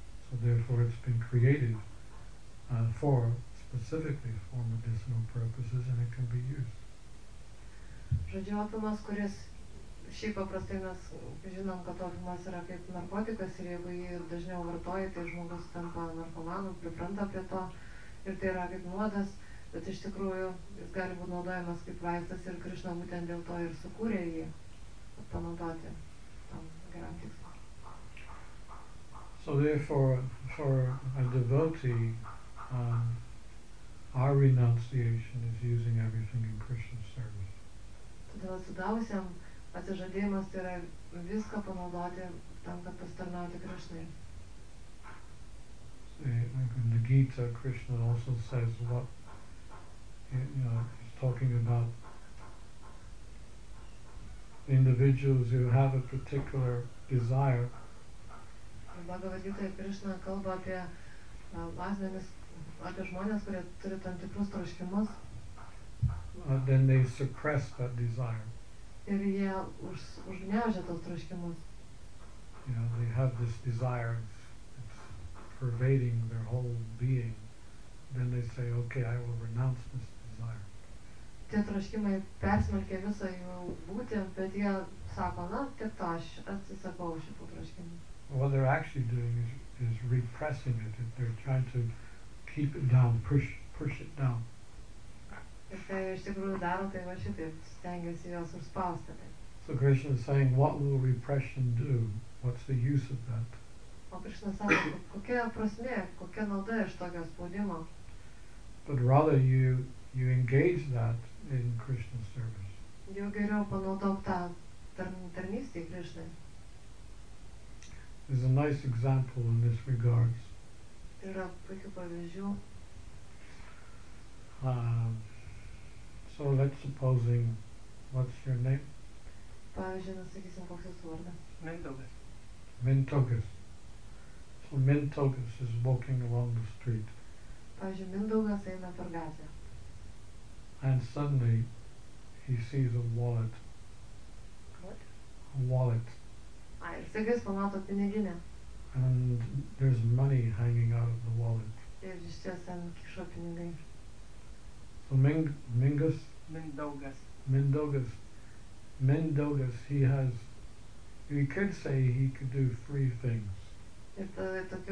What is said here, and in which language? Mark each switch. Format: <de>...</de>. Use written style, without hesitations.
<en>So therefore it's been created specifically for medicinal purposes, and it can be used.</en> <lt>Šiaip paprastai mes žinom, kad opiumas yra kaip narkotikas ir jeigu jį dažniau vartoja, tai žmogus tampa narkomanu, pripranta prie to ir tai yra kaip nuodas, bet iš tikrųjų jis gali būti naudojamas kaip vaistas ir Krishna būtent dėl to ir sukūrė jį panaudoti tam geram tikslui.</lt> <en>So therefore, for a devotee, our renunciation is using everything in Krishna's service.</en> <lt>Atsižadėjimas tai yra viską panaudoti tam, kad pastarnauti Krishnai.</lt> <en>In the Gita, Krishna also says what, you know, he's talking about individuals who have a particular desire.</en> <lt>Bhagavad Gita, Krishna kalba apie asmenis, apie žmonės, kurie turi tam tikrus troškimus.</lt> <en>Then they suppress that desire.</en> <lt>Ir jie užgniaužia tos troškimus.</lt> <en>You know, they have this desire, it's pervading their whole being. Then they say, okay, I will renounce this desire.</en> <lt>Tie troškimai persmelkia visą jų būtį, bet jie sako, na, tiek to, aš atsisakau šitų troškimų.</lt> <en>What they're actually doing is repressing it. They're trying to keep it down, push it down.</en> <lt>Ir tai iš tikrųjų daro, tai va šitaip stengiasi jos užspausti.</lt> <en>So Krishna is saying, what will repression do? What's the use of that?</en> <lt>O Krishna sako, kokia prasmė, kokia nauda iš tokio spaudimo?</lt> <en>But rather you engage that in Krishna's service.</en> <lt>Jau geriau panaudok tą tarnystį Krishnai.</lt> <en>There's a nice example in this regards.</en> <lt>Yra puikių pavyzdžių.</lt> <en>So let's supposing, what's your name?</en> <lt>Pavyzdžiui, nusakysim, koks jūsų vardas. Mindaugas.</lt> <en>So Mindaugas is walking along the street.</en> <lt>Pavyzdžiui, Mindaugas eina per gatvę.</lt> <en>And suddenly, he sees a wallet. What? A wallet.</en> <lt>Ai, ir staiga jis pamato piniginę.</lt> <en>And there's money hanging out of the wallet.</en> <lt>Ir iš ties ten kišo pinigai.</lt> <en>So Mingus?</en> <lt>Mindaugas.</lt> <en>Mindaugas, he has, he could say he could do three things.</en>